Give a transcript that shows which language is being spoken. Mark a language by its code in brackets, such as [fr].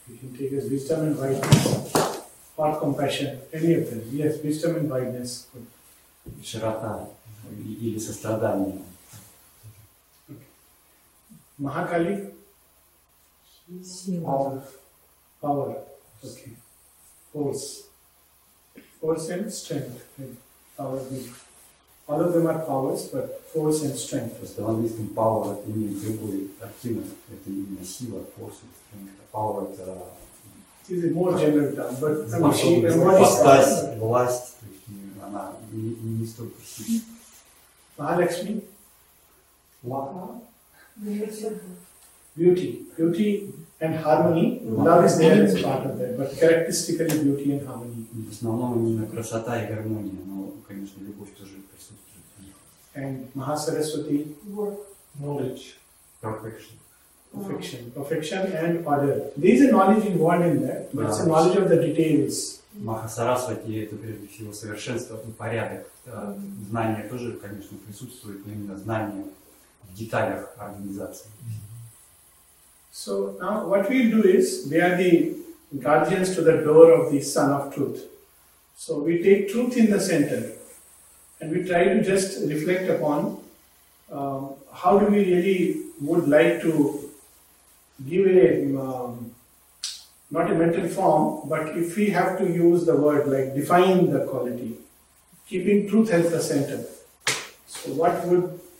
[en] You can take as wisdom and wideness, or compassion, any of them. Yes, wisdom and wideness. [ru] Широта или сострадание. [en] Mahakali? Power. Okay. Force and strength. Power. All of them are powers, but force and strength. [ru] Просто в английском power имеет другую картину. Это именно сила, [en] force, strength. [ru] Power — это... [en] It is a more general term, but... [ru] Ипостась, власть, то есть она не столько сильная. [en] Mahalakshmi? Love. Beauty. Beauty and harmony. Love is there as part of that, but characteristically beauty and harmony. [ru] В основном именно красота и гармония, но, конечно, любовь тоже присутствует. [en] And Mahasaraswati? Work. Knowledge. Perfection. Perfection. Perfection and order. There is a knowledge involved in that, but it's a knowledge of the details. [ru] Mahasaraswati — это, прежде всего, совершенство и порядок. Знание тоже, конечно, присутствует, но именно знание в деталях организации. [en] So now what we'll do is, we are the guardians to the door of the Sun of Truth. So we take truth in the center and we try to just reflect upon how do we really would like to give a, not a mental form, but if we have to use the word like define the quality, keeping truth as the center. So what would